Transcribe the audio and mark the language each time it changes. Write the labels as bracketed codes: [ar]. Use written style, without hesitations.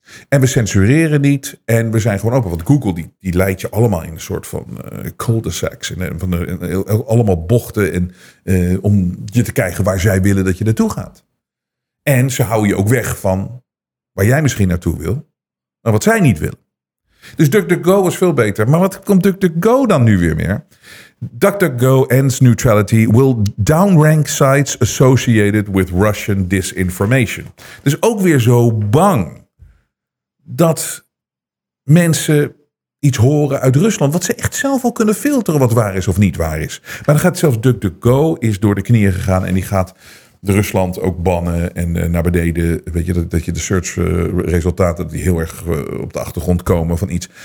[nl] En we censureren niet. En we zijn gewoon open. Want Google die leidt je allemaal in een soort van cul-de-sacs. Allemaal bochten om je te krijgen waar zij willen dat je naartoe gaat. En ze houden je ook weg van waar jij misschien naartoe wil. Maar wat zij niet willen. Dus DuckDuckGo was veel beter. Maar wat komt DuckDuckGo dan nu weer meer? [en] DuckDuckGo ends neutrality will downrank sites associated with Russian disinformation. [nl] Dus ook weer zo bang dat mensen iets horen uit Rusland, wat ze echt zelf al kunnen filteren wat waar is of niet waar is. Maar dan gaat zelfs DuckDuckGo is door de knieën gegaan en die gaat Rusland ook bannen en naar beneden, weet je, dat je de search resultaten die heel erg op de achtergrond komen van iets.